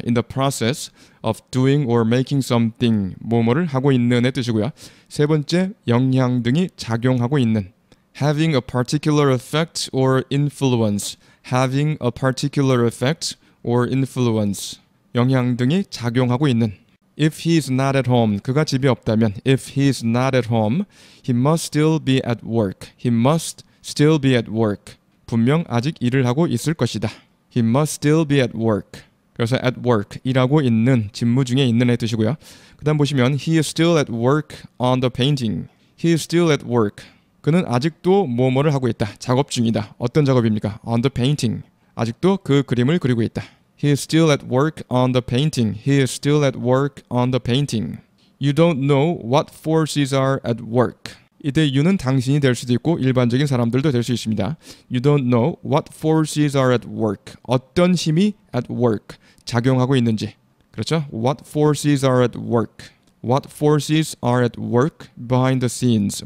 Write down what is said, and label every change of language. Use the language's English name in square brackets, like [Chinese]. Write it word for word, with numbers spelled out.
[English] in the process of doing or making something. [Korean] 뭐뭐를 하고 있는의 뜻이고요. 세 번째, 영향 등이 작용하고 있는 [English] having a particular effect or influence. having a particular effect or influence. [Korean] 영향 등이 작용하고 있는 [English] If he is not at home, [Korean] 그가 집에 없다면 [English] If he is not at home, he must still be at work. He must still be at work. [Korean] 분명 아직 일을 하고 있을 것이다. [English] He must still be at work. 그래서 at work, [Korean] 일하고 있는, 직무 중에 있는의 뜻이고요. 그 다음 보시면 [English] He is still at work on the painting. He is still at work. [Korean] 그는 아직도 뭐뭐를 하고 있다. 작업 중이다. 어떤 작업입니까? [English] On the painting. [Korean] 아직도 그 그림을 그리고 있다. [English] He is still at work on the painting. He is still at work on the painting. You don't know what forces are at work. [Korean] 이때 you는 당신이 될 수도 있고 일반적인 사람들도 될 수 있습니다. [English] You don't know what forces are at work. [Korean] 어떤 힘이 at work 작용하고 있는지. 그렇죠? [English] What forces are at work. What forces are at work behind the scenes.